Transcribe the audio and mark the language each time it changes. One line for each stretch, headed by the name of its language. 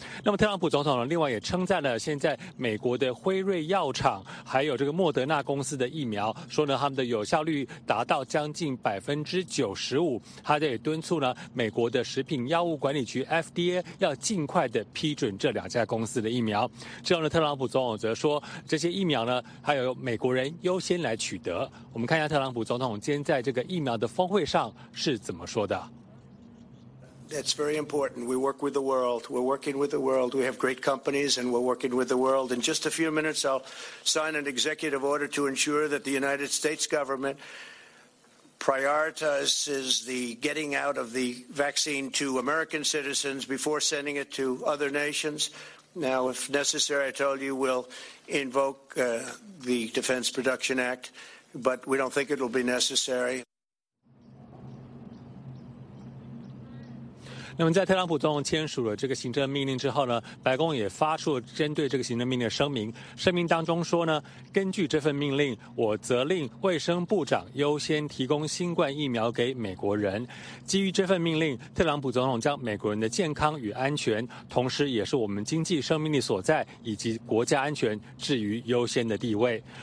Chinese: 那么特朗普总统呢，另外也称赞了现在美国的辉瑞药厂还有这个莫德纳公司的疫苗，说呢他们的有效率达到将近95%，他也敦促呢美国的食品药物管理局 FDA 要尽快的批准这两家公司的疫苗。之后呢，特朗普总统则说，这些疫苗呢，还有美国人优先来取得。我们看一下特朗普总统今天在这个疫苗的峰会上是怎么说的。
English: That's very important. We work with the world. We're working with the world. We have great companies and we're working with the world. In just a few minutes, I'll sign an executive order to ensure that the United States government prioritizes the getting out of the vaccine to American citizens before sending it to other nations. Now, if necessary, I told you we'll invoke the Defense Production Act, but we don't think it will be necessary.
Chinese: 那么在特朗普总统签署了这个行政命令之后呢，白宫也发出了针对这个行政命令的声明。声明当中说呢，根据这份命令，我责令卫生部长优先提供新冠疫苗给美国人。基于这份命令，特朗普总统将美国人的健康与安全，同时也是我们经济生命力所在以及国家安全置于优先的地位。